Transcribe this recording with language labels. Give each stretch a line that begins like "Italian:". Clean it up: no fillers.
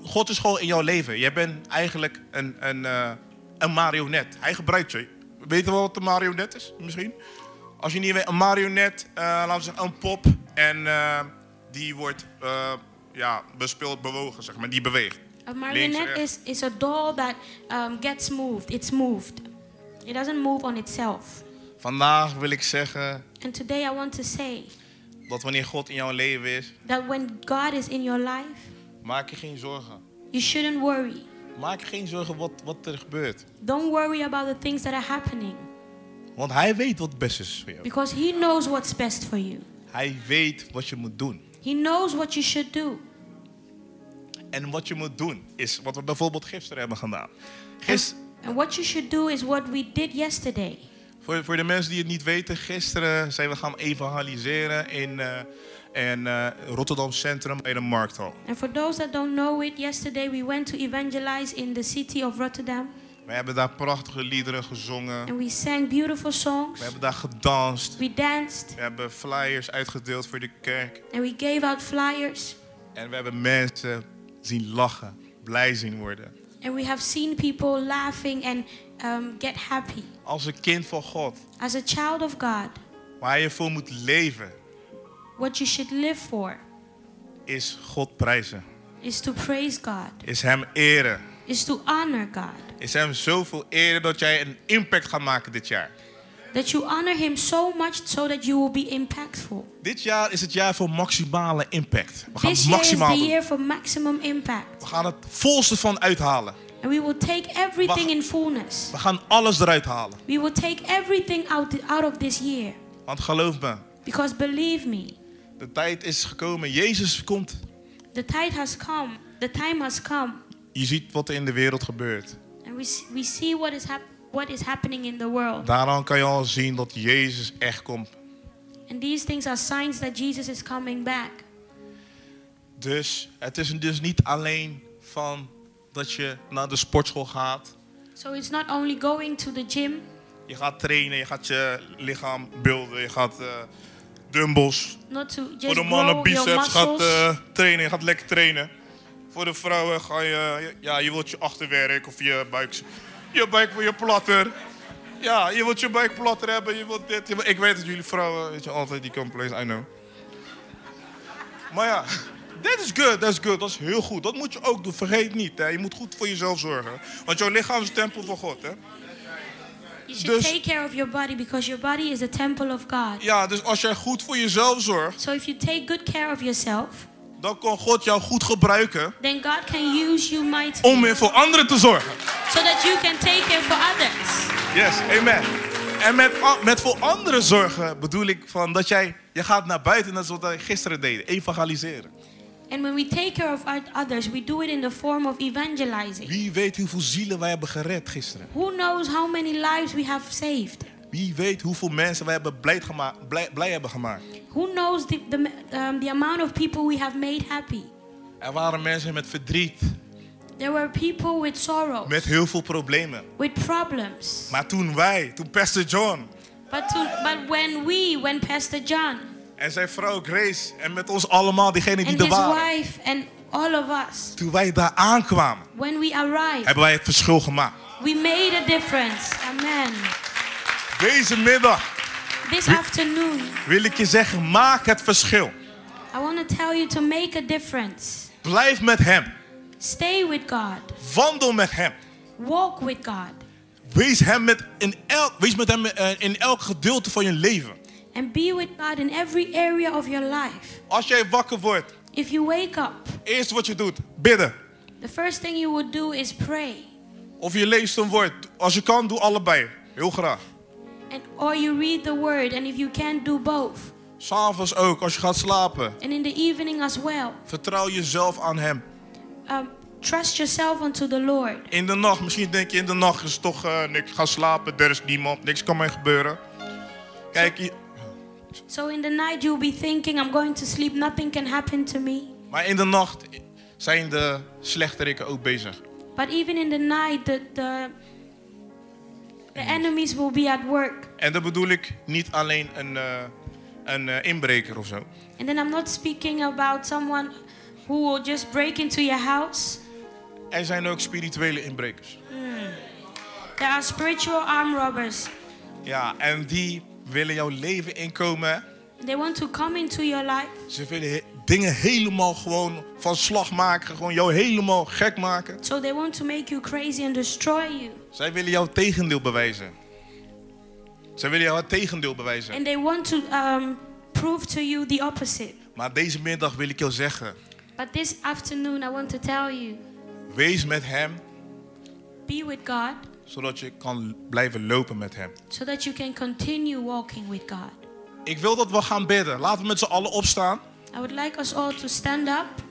Dutch: God is gewoon in jouw leven. Jij bent eigenlijk een marionet. Hij gebruikt je. Weet je wat een marionet is? Misschien? Als je niet weet, een marionet, laten we zeggen, een pop. En die wordt bespeeld, bewogen, zeg maar. Die beweegt.
English: A marionet is a doll that gets moved. It's moved. It doesn't move on itself.
Dutch: Vandaag wil ik zeggen.
English: And today I want to say.
Dutch: Dat wanneer God in jouw leven is.
English: That when God is in your life.
Dutch: Maak je geen zorgen.
English: You shouldn't worry.
Dutch: Maak je geen zorgen wat er gebeurt.
English: Don't worry about the things that are happening.
Dutch: Want hij weet wat het beste is voor jou.
English: Because he knows what's best for you.
Dutch: Hij weet wat je moet doen.
English: He knows what you should do.
Dutch: En wat je moet doen is wat we bijvoorbeeld gisteren hebben gedaan.
English: And what you should do is what we did yesterday.
Dutch: Voor de mensen die het niet weten, gisteren zijn we gaan evangeliseren in Rotterdam Centrum bij de Markthal.
English: And for those that don't know it, yesterday we went to evangelize in the city of Rotterdam.
Dutch: We hebben daar prachtige liederen gezongen.
English: And we sang beautiful songs.
Dutch: We hebben daar gedanst.
English: We danced.
Dutch: We hebben flyers uitgedeeld voor de kerk.
English: And we gave out flyers.
Dutch: En we hebben mensen zien lachen, blij zien worden.
English: And we have seen people laughing and get happy.
Dutch: Als een kind van God.
English: As a child of God.
Dutch: Waar je voor moet leven.
English: What you should live for.
Dutch: Is God prijzen.
English: Is to praise God.
Dutch: Is hem eren.
English: Is to honor God.
Dutch: Is hem zoveel eren dat jij een impact gaat maken dit jaar.
English: That you honor him so much so that you will be impactful.
Dutch: Dit jaar is het jaar voor maximale impact. We gaan
English: This
Dutch: maximaal
English: year is the year
Dutch: doen.
English: For maximum impact.
Dutch: We gaan het volste van uithalen.
English: And we will take everything in fullness.
Dutch: We gaan alles eruit halen.
English: We will take everything out of this year.
Dutch: Want geloof me.
English: Because believe me.
Dutch: De tijd is gekomen. Jezus komt.
English: The tide has come. The time has come.
Dutch: Je ziet wat er in de wereld gebeurt.
English: And we see what is happening in the world.
Dutch: Daaraan kan je al zien dat Jezus echt komt.
English: And these things are signs that Jesus is coming back.
Dutch: Dus het is dus niet alleen van dat je naar de sportschool gaat.
English: So it's not only going to the gym.
Dutch: Je gaat trainen, je gaat je lichaam builden, je gaat dumbbells.
English: Not to just
Dutch: voor de mannen biceps,
English: your muscles.
Dutch: Gaat trainen, je gaat lekker trainen. Voor de vrouwen ga je, ja, je wilt je achterwerk of je buik voor je platter. Ja, je wilt je buik platter hebben, je wilt dit. Ik weet dat jullie vrouwen, weet je, altijd die complaints,
English: I know.
Dutch: Maar ja,
English: that's good,
Dutch: dat is heel goed. Dat moet je ook doen, vergeet niet. Hè. Je moet goed voor jezelf zorgen. Want jouw lichaam is een tempel van God, hè.
English: You should take care of your body because your body is a temple of God.
Dutch: Ja, dus als jij goed voor jezelf zorgt.
English: So if you take good care of yourself.
Dutch: Dan kan God jou goed gebruiken.
English: Then God can use you mightily.
Dutch: Om weer voor anderen te zorgen.
English: So that you can take care for others. Yes, amen.
Dutch: En met voor anderen zorgen bedoel ik van dat je gaat naar buiten. Dat is wat wij gisteren deden, evangeliseren.
English: And when we take care of others, we do it in the form of evangelizing.
Dutch: Wie weet hoeveel zielen wij hebben gered gisteren?
English: Who knows how many lives we have saved?
Dutch: Wie weet hoeveel mensen wij hebben blij hebben gemaakt?
English: Who knows the amount of people we have made happy?
Dutch: Er waren mensen met verdriet.
English: There were people with sorrows.
Dutch: Met heel veel problemen.
English: With problems.
Dutch: Maar toen Pastor John.
English: But when Pastor John.
Dutch: En zijn vrouw Grace en met ons allemaal, diegenen die er waren.
English: And his wife and all of us.
Dutch: Toen wij daar aankwamen.
English: When we arrived.
Dutch: Hebben wij het verschil gemaakt.
English: We made a difference. Amen.
Dutch: Deze middag.
English: This afternoon.
Dutch: Wil ik je zeggen, maak het verschil.
English: I want to tell you to make a difference.
Dutch: Blijf met hem.
English: Stay with God.
Dutch: Wandel met hem.
English: Walk with God.
Dutch: Wees met hem in elk gedeelte van je leven.
English: And be with God in every area of your life.
Dutch: Als jij wakker wordt.
English: If you wake up.
Dutch: Eerst wat je doet, bidden.
English: The first thing you would do is pray.
Dutch: Of je leest een woord. Als je kan, doe allebei. Heel graag.
English: And or you read the word. And if you can, do both.
Dutch: 's Avonds ook, als je gaat slapen.
English: And in the evening as well.
Dutch: Vertrouw jezelf aan hem.
English: Trust yourself unto the Lord.
Dutch: In de nacht, misschien denk je in de nacht is toch niks. Ga slapen, er is niemand. Niks kan mij gebeuren. Kijk,
English: So in the night you'll be thinking, I'm going to sleep, nothing can happen to me.
Dutch: Maar in de nacht zijn de slechteriken ook bezig.
English: But even in the night the enemies will be at work.
Dutch: En dan bedoel ik niet alleen een inbreker of zo.
English: And then I'm not speaking about someone who will just break into your house.
Dutch: Er zijn ook spirituele inbrekers.
English: There are spiritual arm robbers.
Dutch: Ja, en die willen jouw leven inkomen.
English: They want to come into your life.
Dutch: Ze willen dingen helemaal gewoon van slag maken, gewoon jou helemaal gek maken.
English: So they want to make you crazy and destroy you.
Dutch: Zij willen jouw tegendeel bewijzen. Zij willen jou het tegendeel bewijzen.
English: And they want to prove to you the opposite.
Dutch: Maar deze middag wil ik jou zeggen.
English: But this afternoon I want to tell you.
Dutch: Wees met hem.
English: Be with God.
Dutch: Zodat je kan blijven lopen met hem.
English: So that you can continue walking with God.
Dutch: Ik wil dat we gaan bidden. Laten we met z'n allen opstaan.
English: I would like us all to stand up.